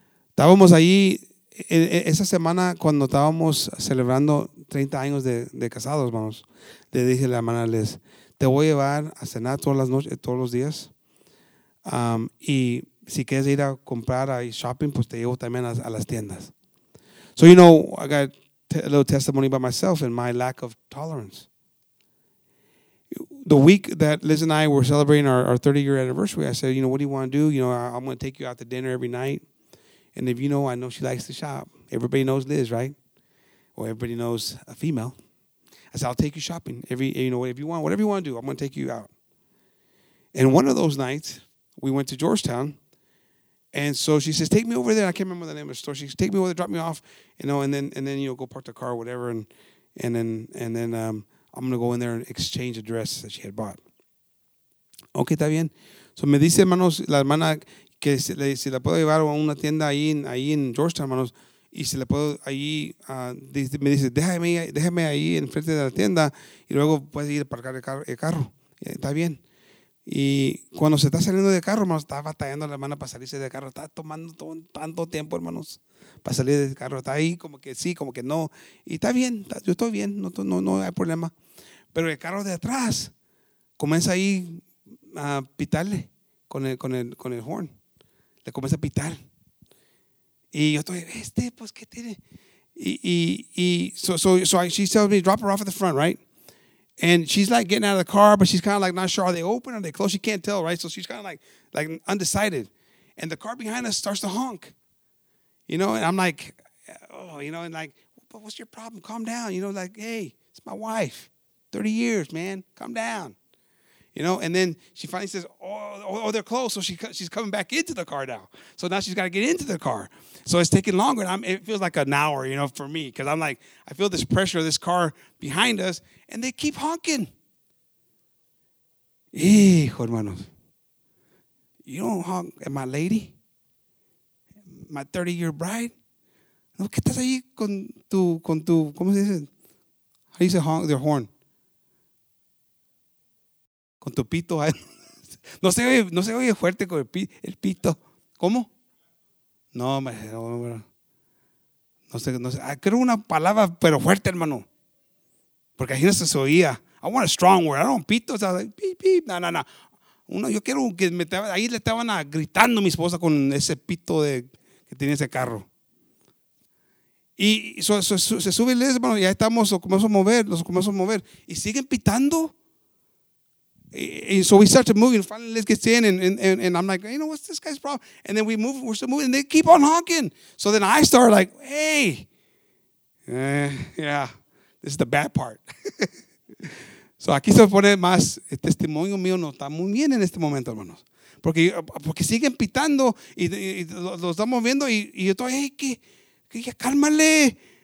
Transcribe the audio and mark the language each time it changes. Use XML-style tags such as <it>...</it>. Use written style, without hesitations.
<es>Estábamos ahí esa semana cuando estábamos celebrando 30 años de casados, hermanos. Le dije a la hermana Liz, te voy a llevar a cenar todas las noches, todos los días. Y si quieres ir a comprar a shopping, pues te llevo también a las tiendas.</es> <en>So, you know, I got a little testimony about myself and my lack of tolerance. The week that Liz and I were celebrating our 30-year anniversary, I said, you know, what do you want to do? You know, I'm going to take you out to dinner every night. And if you know, I know she likes to shop. Everybody knows Liz, right? Or everybody knows a female. I said, I'll take you shopping. Whatever you want to do, I'm going to take you out. And one of those nights, we went to Georgetown. And so she says, take me over there. I can't remember the name of the store. She says, take me over there, drop me off. You know, and then you know, go park the car or whatever. And then I'm going to go in there and exchange a dress that she had bought.</en> <es>Okay, está bien. So me dice, hermanos, la hermana, que si la puedo llevar a una tienda ahí en Georgetown, hermanos, y si la puedo allí, me dice, déjame ahí en frente de la tienda y luego puedes ir a parcar el carro. Está bien. Y cuando se está saliendo del carro, hermanos, está batallando la hermana para salirse del carro. Está tomando tanto tiempo, hermanos, para salir del carro. Está ahí como que sí, como que no. Y está bien, yo estoy bien, no hay problema. Pero el carro de atrás comienza ahí a pitarle con el horn. Le comienza a pitar. Y yo estoy, pues, ¿qué tiene?</es> <en>She tells me, drop her off at the front, right? And she's like getting out of the car, but she's kind of like not sure, are they open, are they closed? She can't tell, right? So she's kind of like undecided. And the car behind us starts to honk, you know? And I'm like, oh, you know, and like, but what's your problem? Calm down, you know, like, hey, it's my wife. 30 years, man, calm down, you know? And then she finally says, oh, they're closed. So she's coming back into the car now. So now she's got to get into the car. So it's taking longer. It feels like an hour, you know, for me, because I'm like, I feel this pressure of this car behind us, and they keep honking.</en> <es>Hijo, hermanos,</es> <en>you don't honk at my lady, my 30-year bride.</en> <es>¿No qué estás ahí con tu, cómo se dice?</es> <en>How do you say honk their horn?</en> <es>Con tu pito. No se oye fuerte con el pito. ¿Cómo? No, no sé. Quiero una palabra, pero fuerte, hermano. Porque ahí no se oía.</es> <en>I want a strong word. I don't want pitos. I was like, beep, beep. No, no, no.</en> <es>Uno, yo quiero que me te, ahí le estaban gritando a mi esposa con ese pito de, que tenía ese carro. Y se sube el hermano, y ahí estamos, los comenzamos a mover. Y siguen pitando.</es> <en>And so we start to move, and finally Liz gets in, and I'm like, you know, what's this guy's problem? And then we're still moving, and they keep on honking. So then I start like, hey, yeah, this is the bad part.</en> <es>So aquí se pone más, el testimonio mío no está muy bien en este momento, hermanos. Porque siguen pitando, y los estamos viendo, y yo estoy, hey, que ya cálmale.</es>